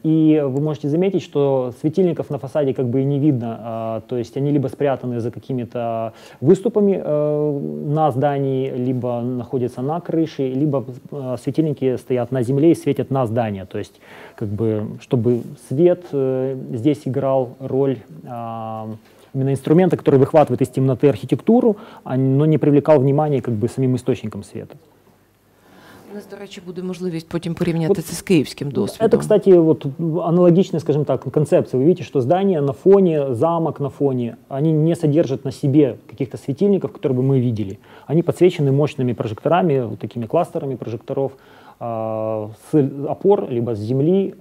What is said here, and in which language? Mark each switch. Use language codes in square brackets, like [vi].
[ru] И вы можете заметить, что светильников на фасаде как бы и не видно, то есть они либо спрятаны за какими-то выступами на здании, либо находятся на крыше, либо светильники стоят на земле и светят на здание, то есть, как бы, чтобы свет здесь играл роль... именно инструмента, который выхватывает из темноты архитектуру, но не привлекал внимания как бы самим источником света. [uk] У нас, до речі, буде можливість потім порівняти це з київським досвідом. [ru] Это, кстати, вот аналогичная, скажем так, концепция. Вы видите, что здание на фоне, замок на фоне, они не содержат на себе каких-то светильников, которые бы мы видели. Они подсвечены мощными прожекторами, вот такими кластерами прожекторов, с опор, либо с земли.